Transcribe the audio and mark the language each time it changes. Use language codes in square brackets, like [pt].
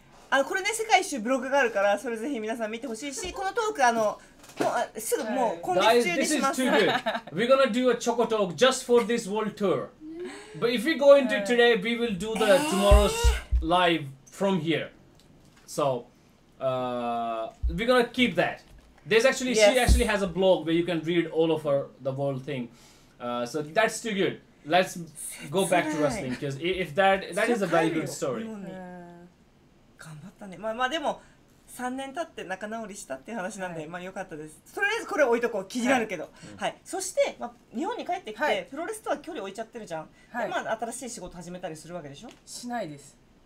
[ja] あ、これね、世界一周ブログがあるからそれぜひ皆さん見てほしいし、このトークあの、すぐもう今月中にします。 [en] This is too good. We're gonna do a choco talk just for this world tour. But if we go into today, we will do the tomorrow's live from here. So, we're gonna keep that. There's actually,、yes. she actually has a blog where you can read all of her, the whole thing. So that's too good. Let's go back to wrestling. Because if that is a very good story. [ja] 頑張ったね。まあまあでも、3年経って仲直りしたっていう話なんで、はい、まあ良かったです。とりあえずこれ置いとこう、気になるけど。はい。はい、そして、まあ、日本に帰ってきて、はい、プロレスとは距離置いちゃってるじゃん。はい、で、まあ、新しい仕事始めたりするわけでしょ？しないです。